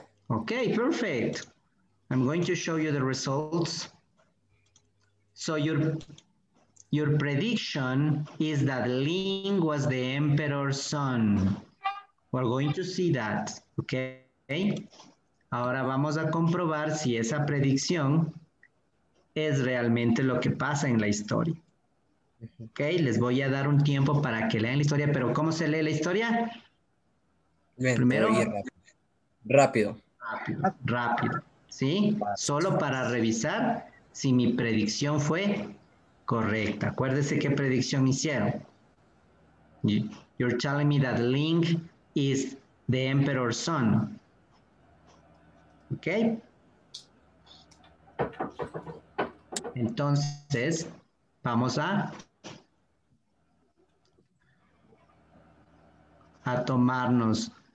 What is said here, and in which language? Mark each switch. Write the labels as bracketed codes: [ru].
[en] Okay, perfect. I'm going to show you the results. So your prediction is that Ling was the emperor's son. We're going to see that, okay? [es] Ahora vamos a comprobar si esa predicción es realmente lo que pasa en la historia. Okay, les voy a dar un tiempo para que lean la historia, pero ¿cómo se lee la historia? Bien, primero, rápido. Rápido, ¿sí? Solo para revisar si mi predicción fue correcta. Acuérdese qué predicción hicieron. [en] You're telling me that Ling is the emperor's son. [es] ¿Ok? Entonces, vamos a tomarnos...